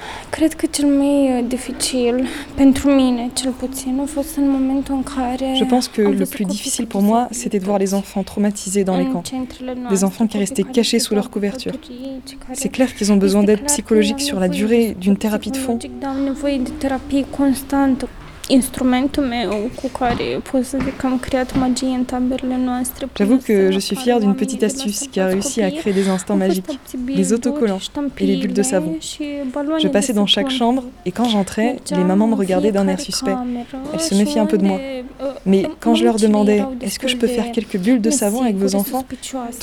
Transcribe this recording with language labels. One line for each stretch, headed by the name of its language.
Romanian: Cred că cel mai dificil pentru mine, cel puțin, a fost în momentul în care.
French: Je pense que le plus difficile pour moi, c'était de voir les enfants traumatisés dans les camps. Des enfants qui restaient cachés sous leur couverture. C'est clair qu'ils ont besoin d'aide psychologique sur la durée d'une thérapie de fond. Au niveau de thérapie constante.
Romanian: Instrumentul meu cu care pot să zic că am creat magie în taberele noastre.
French: J'avoue que je suis fière d'une petite astuce qui a réussi à créer des instants magiques, les autocollants et les bulles de savon. Je passais dans chaque chambre et quand j'entrais, les mamans me regardaient d'un air suspect. Elles se méfiaient un peu de moi. Mais quand je leur demandais « Est-ce que je peux faire quelques bulles de savon avec vos enfants ?»